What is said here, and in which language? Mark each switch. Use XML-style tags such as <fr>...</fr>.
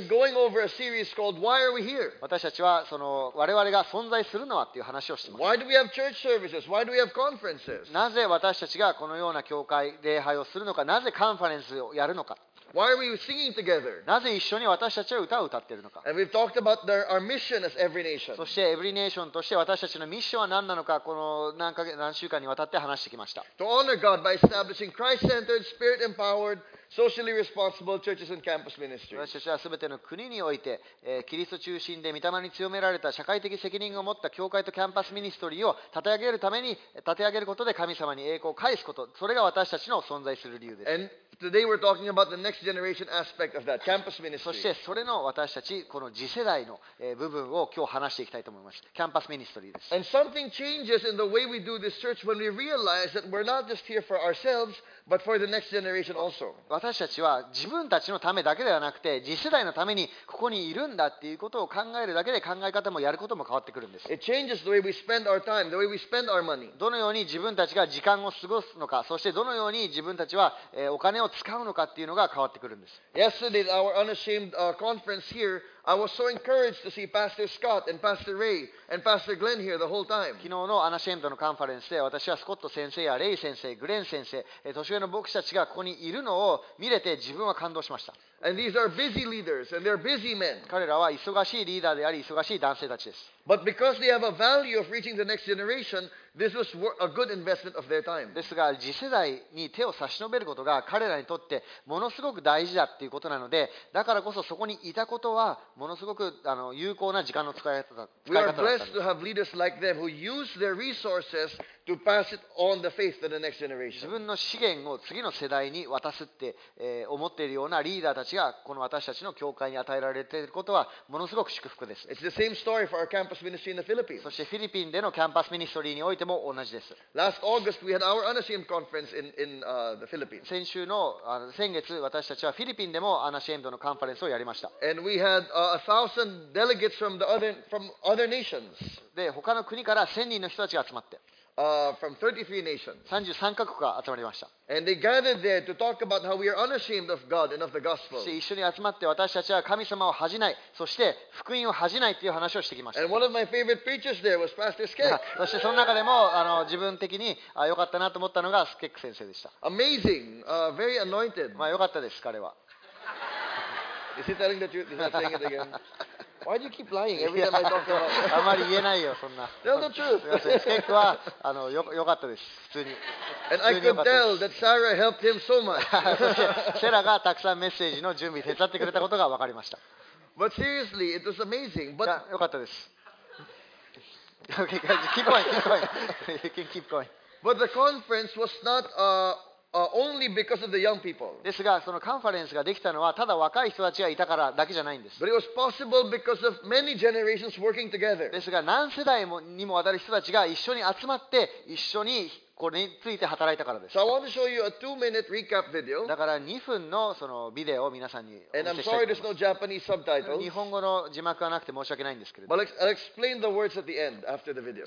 <en>We've been going over a series called Why are we here?</en> <ja>私たちはその我々が存在するのはっていう話をしています</ja> <en>Why do we have church services? Why do we have conferences?</en> <ja>なぜ私たちがこのような教会礼拝をするのかなぜカンファレンスをやるのか</ja> <en>Why are we singing together?</en> <ja>なぜ一緒に私たちは歌を歌っているのか</ja> <en>And we've talked about our mission as every nation.</en> <ja>そして every nation として私たちのミッションは何なのかこの 何週間にわたって話してきました</ja> <en>To honor God by establishing Christ-centered, Spirit-empowered, socially responsible churches and campus ministries.</en> <ja>私たちは全ての国において、キリスト中心で御霊に強められた社会的責任を持った教会とキャンパスミニストリーを立て上げることで神様に栄光を返すことそれが私たちの存在する理由です</ja> <en>And today we're talking about the next generation aspect of that campus ministry.</en> <ja>そしてそれの私たちこの次世代の部分を今日話していきたいと思います。キャンパスミニストリーです。</ja> <en>And something changes in the way we do this church when we realize that we're not just here for ourselves, but for the next generation also.</en> <ja>私たちは自分たちのためだけではなくて次世代のためにここにいるんだっていうことを考えるだけで考え方もやることも変わってくるんです。</ja> <en>It changes the way we spend our time, the way we spend our money.</en> <ja>どのように自分たちが時間を過ごすのか、そしてどのように自分たちはお金を使うのかっていうのが変わってくるんです。</ja> <en>Yesterday, our unashamed conference here, I was so encouraged to see Pastor Scott and Pastor Ray and Pastor Glenn here the whole time.</en> <ja>昨日のアナシェントのカンファレンスで、私はスコット先生やレイ先生、グレン先生、年上の牧師たちがここにいるのを見れて自分は感動しました。</ja> <en>And these are busy leaders and they're busy men.</en> <ja>彼らは忙しいリーダーであり忙しい男性たちです。</ja> <en>But because they have a value of reaching the next generation, this was a good investment of their time.</en> <ja>ですが次世代に手を差し伸べることが彼らにとってものすごく大事だっていうことなので、だからこそそこにいたことはものすごく有効な時間の使い方だったんです。</ja> <en>We are blessed to have leaders like them who use their resources. To pass it on the faith to the next generation.</en> <ja>自分の資源を次の世代に渡すって、思っているようなリーダーたちがこの私たちの教会に与えられていることはものすごく祝福です。</ja> <en>It's the same story for our campus ministry in the Philippines.</en> <ja>そしてフィリピンでのキャンパスミニストリーにおいても同じです。</ja> <en>Last August we had our Unashamed conference in the Philippines.</en> <ja>先週の先月私たちはフィリピンでもUnashamed のカンファレンスをやりました。</ja> <en>And we had 1,000 delegates from other nations.</en> <ja>で他の国から1,000人の人たちが集まって。</ja> <en>From 33 nations.</en> <ja>33カ国が集まりました。</ja> <en>And they gathered there to talk about how we are unashamed of God and of the gospel.</en> <ja>一緒に集まって私たちは神様を恥じない、そして福音を恥じないという話をしてきました。</ja> <en>And one of my favorite preachers there was Pastor Skek.</en> <ja>そしてその中でも自分的に良かったなと思ったのがスケック先生でした。</ja> <en>Amazing, very anointed.</en> <ja>まあ良かったです彼は。</ja> <en>Is he telling the truth? Is he saying it again? Why do you keep lying every time I talk about it?</en> <ja>あまり言えないよそんな。</ja> <en>Tell the truth.</en> <ja>ステックはよかったです普通に。</ja> <en>And I could tell that Sarah helped him so much.</en> <ja>セラがたくさんメッセージの準備手伝ってくれたことが分かりました。</ja> <en>But seriously, it was amazing. But</en> <ja>よかったです。</ja> <en>Okay, guys, keep going, keep going. You can keep going. But the conference was not only because of the young people.</en> <ja>ですが、そのカンファレンスができたのは、ただ若い人たちがいたからだけじゃないんです。</ja> <en>But it was possible because of many generations working together.</en> <ja>ですが、何世代にもわたる人たちが一緒に集まって、一緒にこれについて働いたからです。</ja> <en>So I want to show you a 2-minute recap video.</en> <ja>だから2分のそのビデオを皆さんにお見せしたいと思います。</ja> <en>And I'm sorry there's no Japanese subtitles.</en> <ja>日本語の字幕はなくて申し訳ないんですけれど。</ja> <en>But I'll explain the words at the end, after the video.</en>